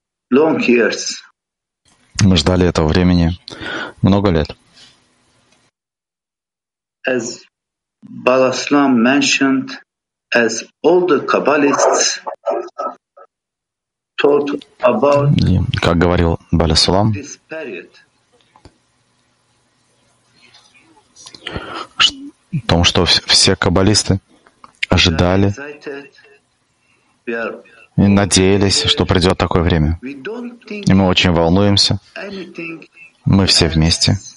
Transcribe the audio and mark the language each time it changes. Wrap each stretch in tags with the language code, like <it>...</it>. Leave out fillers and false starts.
<ru>Мы ждали этого времени много лет.</ru> <en>As Balaslam mentioned, as all the Kabbalists taught about this period.</en> <ru>Как говорил Баласлам, о том, что все каббалисты ожидали и надеялись, что придет такое время. И мы очень волнуемся. Мы все вместе.</ru>